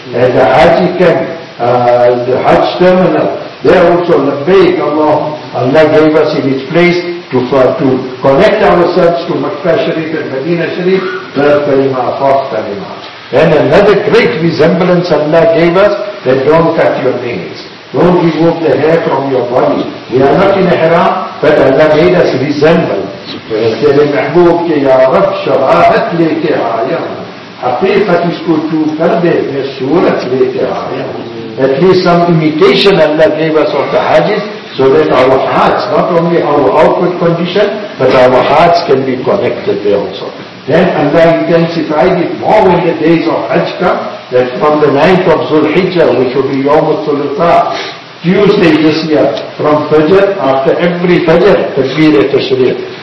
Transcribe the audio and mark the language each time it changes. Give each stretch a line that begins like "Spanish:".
English: At the haji camp, the hajj terminal, they are also labbaik, Allah gave us in its place to connect ourselves to Makkah Sharif and Medina Sharif, third kalima, fourth kalima. And another great resemblance Allah gave us, that don't cut your nails. Don't remove the hair from your body. We are not in a haram, but Allah made us resemble.
Urdu: تیرے محبوب کے یا رب شباہت لے کے آیا ہوں, حقیقت اس کو چو کر دے, میں صورت لے کے آیا ہوں.
English: At least some imitation Allah gave us of the hajjis, so that our hearts, not only our outward condition, but our hearts can be connected there also. Then Allah intensified it more when the days of hajj come, that from the 9th of Zulhijjah, which will be Yawm al-Thulutha, Tuesday this year, from Fajr, after every Fajr, Takbir al-Tashriq.